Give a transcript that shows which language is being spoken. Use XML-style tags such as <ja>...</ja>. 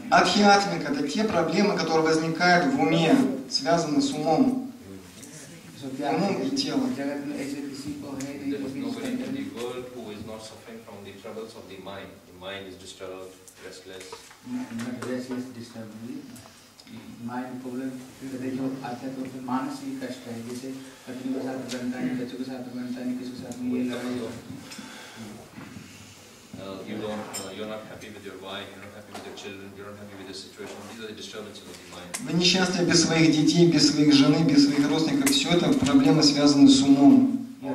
<ru>Адхи-атмика – это те проблемы, которые возникают в уме, связаны с умом. Умом и телом.</ru> <en>There is nobody in the world who is not suffering from the troubles of the mind. The mind is disturbed, restless. Restless, disturbed. Mind problem.</en> <hi>देखो आजकल तो फिर मानसिक कष्ट है जैसे पत्नी के साथ बंधन है, बच्चों के साथ बंधन है, किसी के साथ ये लड़ाई हो.</hi> <ru>Вы несчастны без своих детей, без своих жены, без своих родственников. Все это проблемы, связанные с умом.</ru>